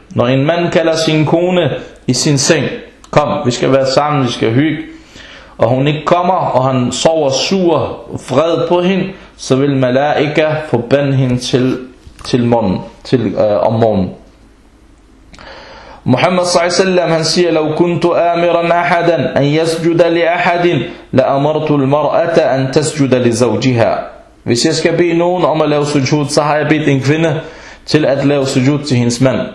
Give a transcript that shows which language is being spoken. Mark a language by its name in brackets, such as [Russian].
[Danish] Når en mand kalder sin kone i sin seng, kom, vi skal være sammen, vi skal hygge, og hun ikke kommer, og han sover sur og vred på hende, så vil malaika forbande hende til om morgenen. Muhammad s.a.w. han siger, [Arabic] لو كنت آمرا أحدا أن يسجد لأحد لأمرت المرأة أن تسجد لزوجها. [Danish] Hvis jeg skal bede nogen om at lave sujud, så har jeg bedt en kvinde til at lave sujud til hendes mand.